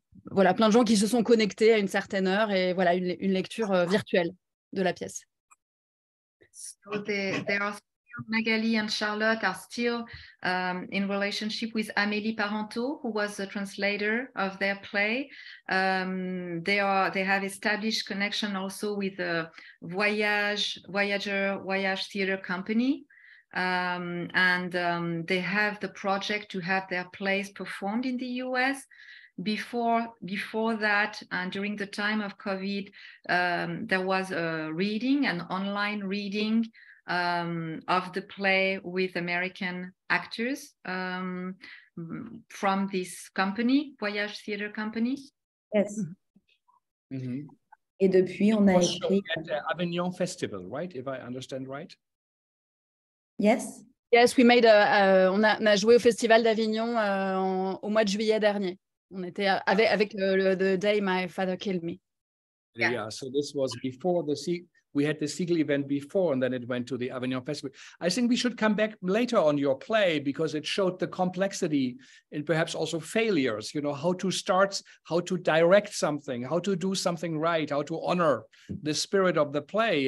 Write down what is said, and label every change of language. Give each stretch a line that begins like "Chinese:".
French: voilà, plein de gens qui se sont connectés à une certaine heure et voilà, une lecture virtuelle de la pièce.
English: So they are still, Magali and Charlotte are still in relationship with Amélie Parento, who was the translator of their play. They have established connection also with the Voyager Theatre Company. They have the project to have their plays performed in the US. Before that, and during the time of COVID, there was a reading, an online reading of the play with American actors from this company, Voyage Theater Company. Yes.
French: Mm-hmm. Et depuis, on a écrit...
English: At the Avignon Festival, right? If I understand right? Yes. Yes, we made
French: on a joué au Festival d'Avignon au mois de juillet dernier. On était avec the day my father killed me.
English: Yeah, so this was before we had the Segal event before, and then it went to the Avignon Festival. I think we should come back later on your play because it showed the complexity and perhaps also failures, you know, how to start, how to direct something, how to do something right, how to honor the spirit of the play.